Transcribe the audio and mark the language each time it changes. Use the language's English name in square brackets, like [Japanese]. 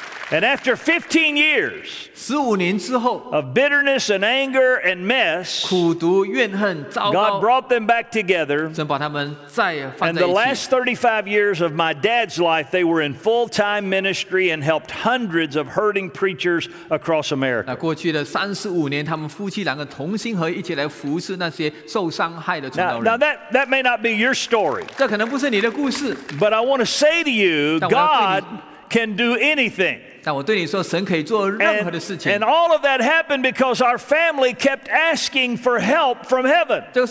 [English] And after 15 years of bitterness and anger and mess, God brought them back together. And the last 35 years of my dad's life, they were in full-time ministry and helped hundreds of hurting preachers across America. [Chinese] 过去的35年，他们夫妻两个同心合一起来服侍那些受伤害的传道人。 [English] Now that may not be your story. [Chinese] 这可能不是你的故事。 [English] But I want to say to you, God can do anything. And all of that happened because our family kept asking for help from heaven.